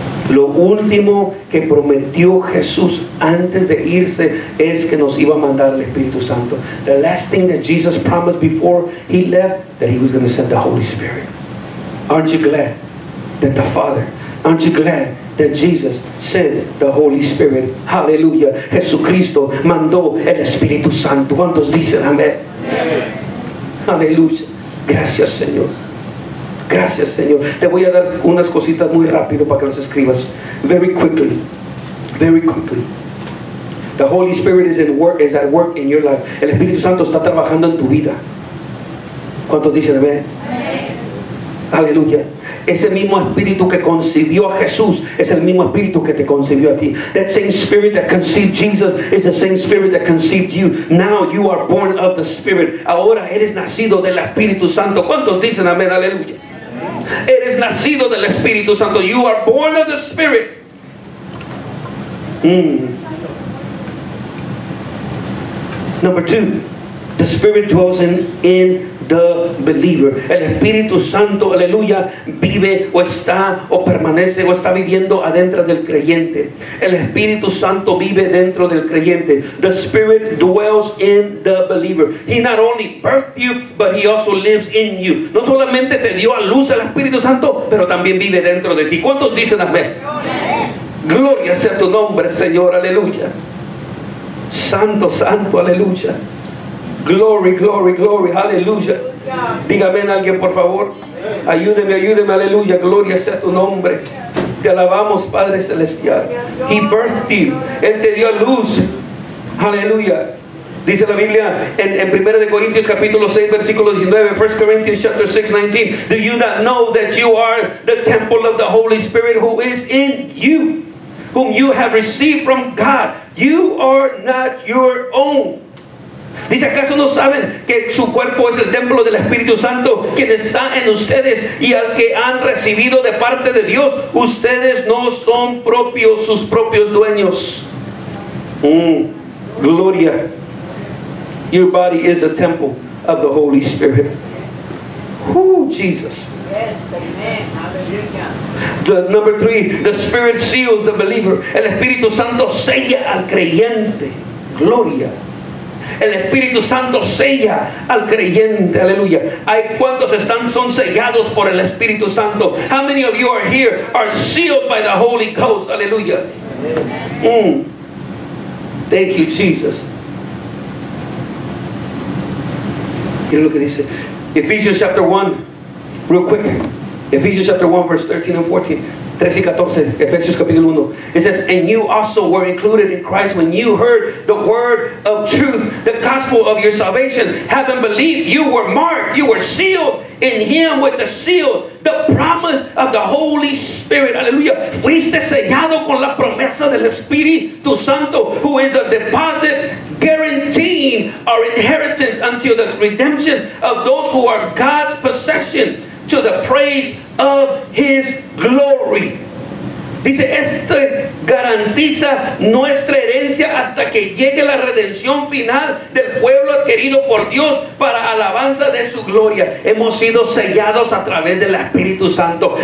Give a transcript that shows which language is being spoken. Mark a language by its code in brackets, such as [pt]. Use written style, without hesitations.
[es] Lo último que prometió Jesús antes de irse es que nos iba a mandar el Espíritu Santo. [en] The last thing that Jesus promised before he left, that he was going to send the Holy Spirit. Aren't you glad that the Father, aren't you glad that Jesus sent the Holy Spirit? [es] Hallelujah. Jesucristo mandó el Espíritu Santo. ¿Cuántos dicen amén? Amén. Hallelujah. Gracias, Señor. Gracias, Señor. Te voy a dar unas cositas muy rápido para que las escribas. [en] Very quickly. Very quickly. The Holy Spirit is at work in your life. [es] El Espíritu Santo está trabajando en tu vida. ¿Cuántos dicen amén? Amén. Aleluya. Ese mismo Espíritu que concibió a Jesús es el mismo Espíritu que te concibió a ti. [en] That same Spirit that conceived Jesus is the same Spirit that conceived you. Now you are born of the Spirit. [es] Ahora eres nacido del Espíritu Santo. ¿Cuántos dicen amén? Aleluya. Eres nacido del Espíritu Santo. [en] You are born of the Spirit. [es] Mm. [en] Number two, the Spirit dwells in the believer. [es] El Espíritu Santo, aleluya, vive o está o permanece o está viviendo adentro del creyente. El Espíritu Santo vive dentro del creyente. [en] The Spirit dwells in the believer. He not only birthed you, but he also lives in you. [es] No solamente te dio a luz el Espíritu Santo, pero también vive dentro de ti. ¿Cuántos dicen amén? Gloria sea tu nombre, Señor, aleluya. Santo, santo, aleluya. [en] Glory, glory, glory, [es] aleluya. Dígame a alguien, por favor. Ayúdeme, ayúdeme, aleluya. Gloria sea tu nombre. Te alabamos, Padre Celestial. [en] He birthed you. [es] Él te dio luz. Aleluya. Dice la Biblia en 1 Corintios capítulo 6 versículo 19, [en] 1 Corinthians chapter 6, 19. Do you not know that you are the temple of the Holy Spirit who is in you, whom you have received from God? You are not your own. [es] Dice, ¿acaso no saben que su cuerpo es el templo del Espíritu Santo, quien está en ustedes y al que han recibido de parte de Dios? Ustedes no son propios, sus propios dueños. Mm. Gloria. [en] Your body is the temple of the Holy Spirit. Ooh, Jesus. Yes, amen. The, number three, the Spirit seals the believer. [es] El Espíritu Santo sella al creyente. Gloria. El Espíritu Santo sella al creyente. Aleluya. Hay cuantos están son sellados por el Espíritu Santo. [en] How many of you are here are sealed by the Holy Ghost? Aleluya. Mm. Thank you, Jesus. [es] Mira lo que dice. [en] Ephesians chapter 1. Real quick. Ephesians chapter 1, verse 13 and 14. [es] 13 y 14, Efesios capítulo 1. [en] It says, and you also were included in Christ when you heard the word of truth, the gospel of your salvation. Having believed, you were marked, you were sealed in him with the seal, the promise of the Holy Spirit. Aleluya. [es] Fuiste sellado con la promesa del Espíritu Santo, [en] who is a deposit guaranteeing our inheritance until the redemption of those who are God's possession, to the praise of his glory. [es] Dice, este garantiza nuestra herencia hasta que llegue la redención final del pueblo adquirido por Dios para alabanza de su gloria. Hemos sido sellados a través del Espíritu Santo.